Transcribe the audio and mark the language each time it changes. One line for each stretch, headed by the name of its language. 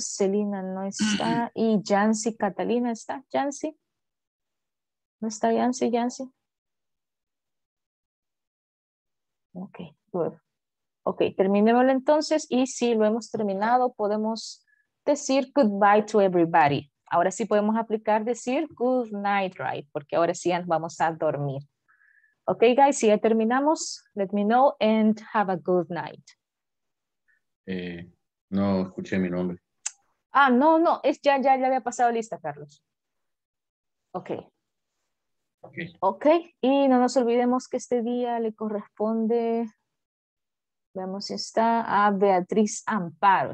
Spanish: Selena no está. Y Yancy Catalina está. Yancy. ¿No está Yancy? Yancy. Ok, good. Ok, terminémoslo entonces. Y si lo hemos terminado, podemos decir
English: goodbye to everybody.
Spanish: Ahora sí podemos aplicar decir
English: good night, right?
Spanish: Porque ahora sí vamos a dormir.
English: Ok, guys,
Spanish: si ya terminamos,
English: let me know and have a good night.
Spanish: No escuché mi nombre. Ah, no, no, es ya había pasado lista, Carlos.
English: Ok. Okay.
Spanish: Ok, y no nos olvidemos que este día le corresponde, veamos si está, a Beatriz Amparo.